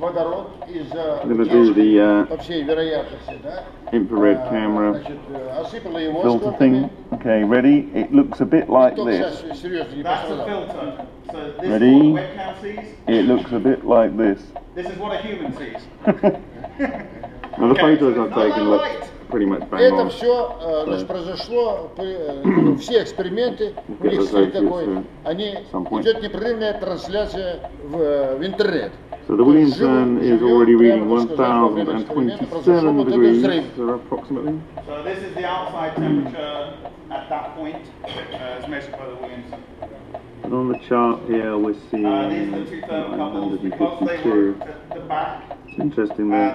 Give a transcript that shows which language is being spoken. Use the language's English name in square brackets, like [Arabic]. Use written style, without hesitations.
[English] going to do the infrared camera filter thing. Okay, ready? It looks a bit like this. That's the filter. So this ready? Is what the webcam sees? It looks a bit like this. This is what a human sees. Now the photos I've taken look pretty much bang on. [Russian] Это все, значит, произошло, все эксперименты, у них все такое, они, идет непрерывная трансляция в интернет. [English] So the wind zone is already reading 1027 degrees, so approximately. So this is the outside temperature at that point, as measured by the wind zone. And on the chart here we're seeing interesting that